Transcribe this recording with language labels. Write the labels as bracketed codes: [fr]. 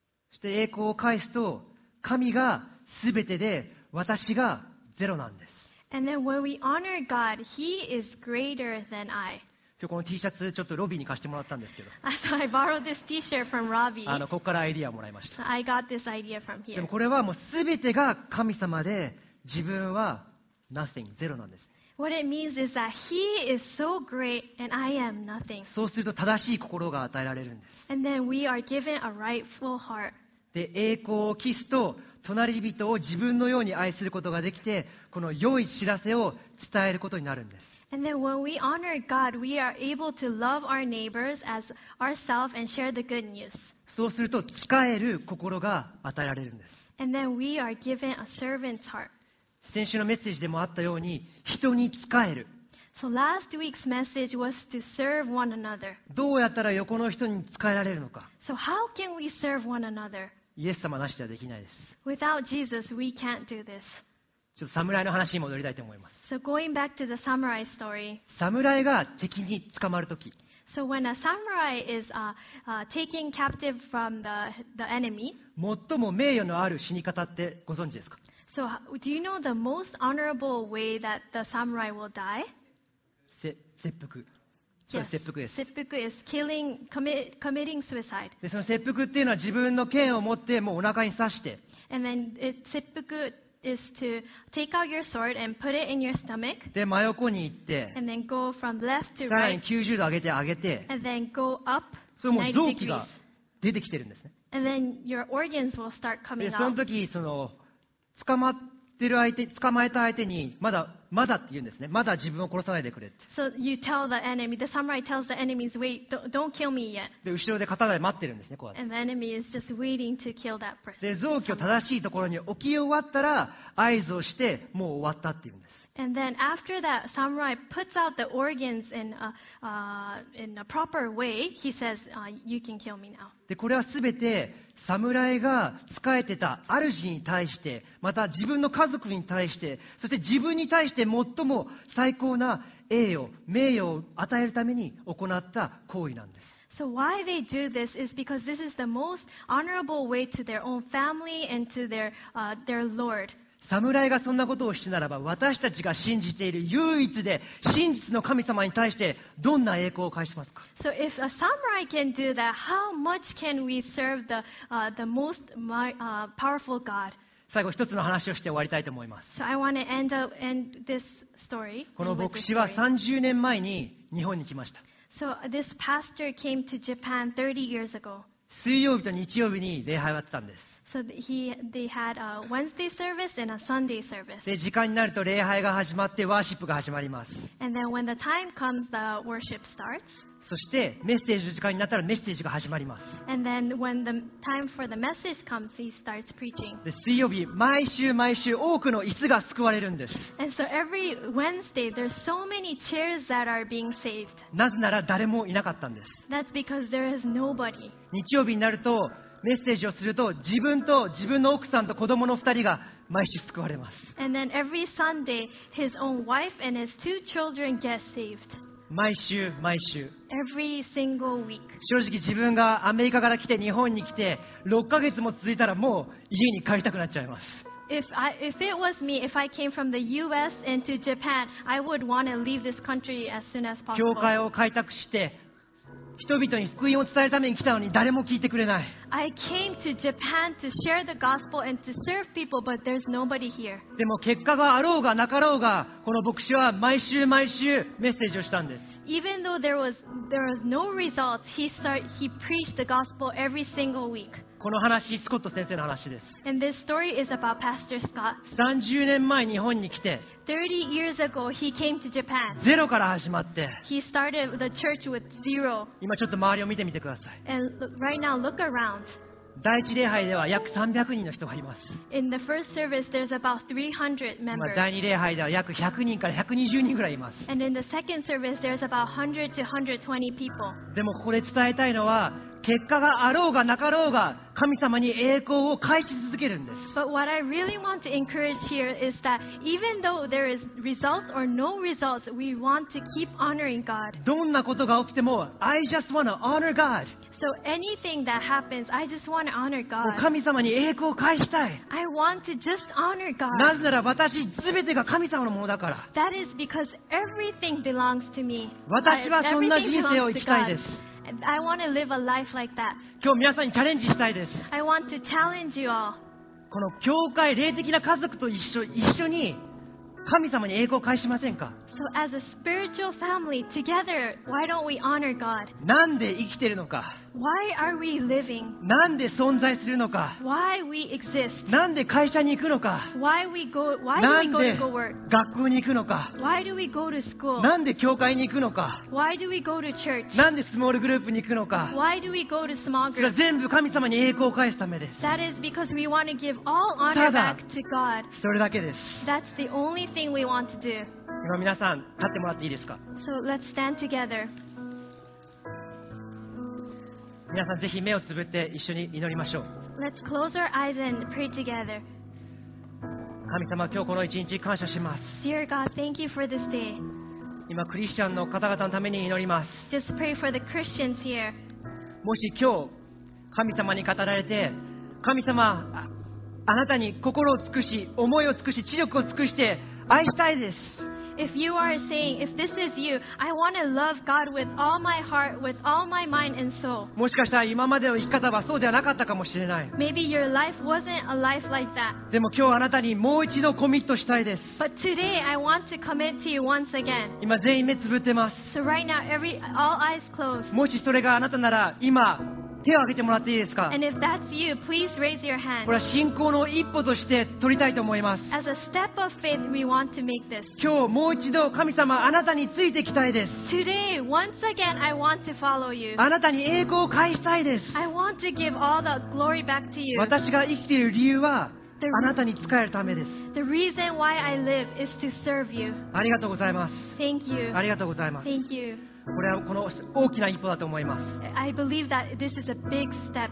[ja] そして栄光を返すと神が全てで私がゼロなんです。 [en] And then when we honor God, He is greater than I. [ja] 今日この T シャツちょっとロビーに貸してもらったんですけど、 [en] so、I borrowed this T-shirt from Robbie. [ja] あのここからアイディアをもらいました。 [en] I got this idea from here. [ja] でもこれはもうすべてが神様で自分は nothing ゼロなんです。 [en] What it means is that He is so great and I am nothing. [ja] そうすると正しい心が与えられるんです。 [en] And then we are given a rightful heart. [ja] で栄光を期すと隣人を自分のように愛することができてこの良い知らせを伝えることになるんです。 [en] And then when we honor God, we are able to love our neighbors as ourselves and share the good news. [ja] そうすると仕える心が与えられるんです。 [en] And then we are given a servant's heart. [ja] 先週のメッセージでもあったように人に仕える。 [en] So last week's message was to serve one another. [ja] どうやったら横の人に仕えられるのか。 [en] So how can we serve one another? [ja] イエス様なしではできないです。 [en] Without Jesus, we can't do this. [ja] ちょっと侍の話に戻りたいと思います。 [en] So going back to the samurai story. [ja] 侍が敵に捕まるとき。 [en] So when a samurai is taken captive from the enemy. [ja] 最も名誉のある死に方ってご存知ですか [en] ？So do you know the most honorable way that the samurai will die? [ja] 切腹。 [en] Yes. [ja] 切腹です。 [en] 切腹 is killing, committing suicide. [ja] でその切腹っていうのは自分の剣を持ってもうお腹に刺して。 [en] And then it 切腹。 Is to take out your sword and put it in your stomach. [ja] で真横に行って、 [en] and then go from left to right. [ja] さらに90度上げて、 [en] and then go up 90 degrees. [ja] それも臓器が出てきてるんですね。 [en] and then your organs will start coming out. [ja] でその時その捕まえた相手にまだって言うんですね。まだ自分を殺さないでくれって。 [en] So you tell the enemy, the samurai tells the enemies, wait, don't kill me yet. [ja] で後ろで刀で待ってるんですね。こうやって。 [en] And the enemy is just waiting to kill that person. [ja] で臓器を正しいところに置き終わったら合図をしてもう終わったって言うんです。 [en] And then after that, samurai puts out the organs in a proper way. He says, you can kill me now. [ja] でこれはすべて侍が仕えてた主に対して、また自分の家族に対して、そして自分に対して最も最高な栄誉、名誉を与えるために行った行為なんです。 [en] So why they do this is because this is the most honorable way to their own family and to their Lord. [ja] 侍がそんなことをしてならば、私たちが信じている唯一で真実の神様に対してどんな栄光を返しますか？ [en] So if a samurai can do that, how much can we serve the most powerful God? [ja] 最後一つの話をして終わりたいと思います。 [en] So I want to end this story. [ja] この牧師は30年前に日本に来ました。 [en] So this pastor came to Japan 30 years ago. [ja] 水曜日と日曜日に礼拝をやってたんです。 [en] So they had a Wednesday service and a Sunday service. [ja] で時間になると礼拝が始まってワーシップが始まります。 [en] And then when the time comes, the worship starts. [ja] そしてメッセージの時間になったらメッセージが始まります。 [en] And then when the time for the message comes, he starts preaching. [ja] で水曜日毎週毎週多くの椅子が救われるんです。 [en] And so every Wednesday, there's so many chairs that are being saved. [ja] なぜなら誰もいなかったんです。 [en] That's because there is nobody. [ja] 日曜日になるとメッセージをすると自分と自分の奥さんと子供の二人が毎週救われます。 [en] And then every Sunday, his own wife and his two children get saved. [ja] 毎週毎週 [en] Every single week. [ja] 正直自分がアメリカから来て日本に来て6ヶ月も続いたらもう家に帰りたくなっちゃいます [en] If it was me, if I came from the US into Japan, I would want to leave this country as soon as possible. [ja] 教会を開拓して人々に福音を伝えるために来たのに誰も聞いてくれない。 [en] I came to Japan to share the gospel and to serve people, but there's nobody here. [ja] でも結果があろうがなかろうが、この牧師は毎週毎週メッセージをしたんです。 [en] Even though there was no results, he preached the gospel every single week. [ja] この話、スコット先生の話です。 [en] And this story is about Pastor Scott. [ja] 30年前日本に来て、 [en] 30 years ago, he came to Japan. [ja] ゼロから始まって、 [en] he started the church with zero. [ja] 今ちょっと周りを見てみてください。 [en] And right now, look around. [ja] 第一礼拝では約300人の人がいます。 [en] In the first service, there's about 300 members. [ja] 今第二礼拝では約100人から120人ぐらいいます。 [en] And in the second service, there's about 100 to 120 people. [ja] でもここで伝えたいのは、結果があろうがなかろうが神様に栄光を返し続けるんです。 [en] But what I really want to encourage here is that even though there is results or no results, we want to keep honoring God. [ja] どんなことが起きても、 [en] I just want to honor God. So anything that happens, I just want to honor God. [ja] 神様に栄光を返したい。 [en] I want to just honor God. [ja] なぜなら私全てが神様のものだから。 [en] That is because everything belongs to me. [ja] 私はそんな人生を生きたいです。 [en] I want to live a life like that. [ja] 今日皆さんにチャレンジしたいです。 [en] I want to challenge you all. [ja] この教会、霊的な家族と一緒に神様に栄光を返しませんか? [en] So as a spiritual family, together, why don't we honor God? [ja] なんで生きているのか? [en] Why are we living? [ja] なんで存在するのか? [en] Why we exist? [ja] なんで会社に行くのか? [en] Why do we go to work? [ja] なんで学校に行くのか? [en] Why do we go to school? [ja] なんで教会に行くのか? [en] Why do we go to church? [ja] なんでスモールグループに行くのか? [en] Why do we go to small group? [ja] それは全部神様に栄光を返すためです。 [en] That is because we want to give all honor back to God. [ja] ただ、それだけです。 [en] That's the only thing we want to do. [ja] 今皆さん立ってもらっていいですか? [en] So let's stand together. [ja] 皆さんぜひ目をつぶって一緒に祈りましょう。 [en] Let's close our eyes and pray together. [ja] 神様、今日この一日感謝します。 [en] Dear God, thank you for this day. [ja] 今クリスチャンの方々のために祈ります。 [en] Just pray for the Christians here. [ja] もし今日神様に語られて、神様、あなたに心を尽くし、思いを尽くし、知力を尽くして愛したいです。 [en] If you are saying, if this is you, I want to love God with all my heart, with all my mind and soul. [ja] もしかしたら今までの生き方はそうではなかったかもしれない。 [en] Maybe your life wasn't a life like that. [ja] でも今日あなたにもう一度コミットしたいです。 [en] But today I want to commit to you once again. [ja] 今全員目つぶってます。 [en] So right now, all eyes closed. [ja] もしそれがあなたなら今、手を挙げてもらっていいですか? [en] And if that's you, please raise your hand. [ja] これは信仰の一歩として取りたいと思います。 [en] As a step of faith, we want to make this. [ja] 今日もう一度神様、あなたについていきたいです。 [en] Today, once again, I want to follow you. [ja] あなたに栄光を返したいです。 [en] I want to give all the glory back to you. [ja] 私が生きている理由はあなたに仕えるためです。 [en] The reason why I live is to serve you. [ja] ありがとうございます。 [en] Thank you. [ja] ありがとうございます。 [en] Thank you. [ja] これはこの大きな一歩だと思います。 [en] I believe that this is a big step.